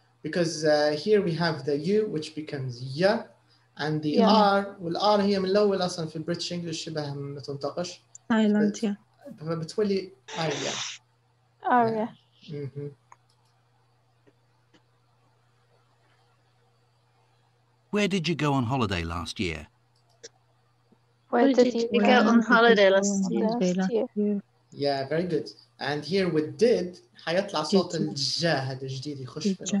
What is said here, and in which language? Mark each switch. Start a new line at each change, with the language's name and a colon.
English: Because here we have the U, which becomes ya, and the yeah. R. Well, R here
Arabic: من الأول أصلاً في British English شبه ما تنطقش.
English: Silent, yeah.
Arabic: بتولي R,
English: yeah. R, yeah. Mm-hmm. Where did you go on holiday last year? Where did you go on holiday last year? Yeah, very good. And here with did,
Arabic: حيطلع صوت الجا هذا جديد يخش بنا.